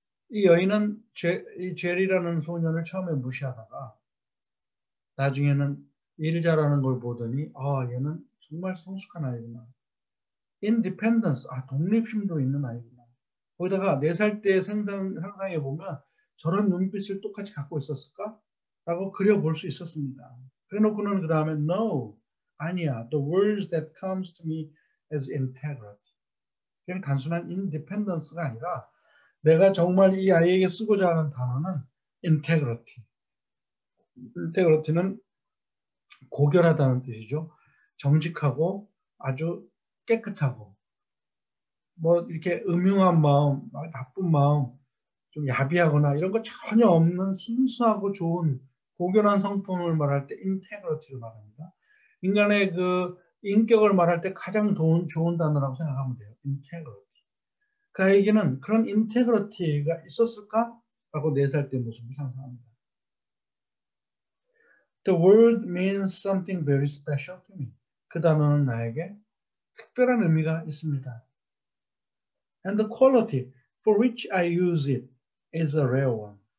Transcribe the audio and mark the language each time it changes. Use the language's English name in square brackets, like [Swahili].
[Korean] 이 여인은 제리라는 소년을 처음에 무시하다가 나중에는 일 잘하는 걸 보더니 얘는 정말 성숙한 아이구나. Independence, 독립심도 있는 아이구나. 거기다가 4살 때 상상해 보면 저런 눈빛을 똑같이 갖고 있었을까? 라고 그려볼 수 있었습니다. 그래놓고는 그 다음에 No, 아니야. [English] The words that comes to me as integrity. [Korean] 그냥 단순한 independence가 아니라 내가 정말 이 아이에게 쓰고자 하는 단어는 integrity. Integrity는 고결하다는 뜻이죠. 정직하고 아주 깨끗하고, 뭐, 이렇게 음흉한 마음, 나쁜 마음, 좀 야비하거나 이런 거 전혀 없는 순수하고 좋은 고결한 성품을 말할 때 인테그리티를 말합니다. 인간의 그 인격을 말할 때 가장 좋은 단어라고 생각하면 돼요. 인테그리티. 그 얘기는 그런 인테그리티가 있었을까? 라고 네살때 모습을 상상합니다. [English] The world means something very special to me. [Korean] 그 단어는 나에게 특별한 의미가 있습니다. [English] And the quality for which I use it is a rare one.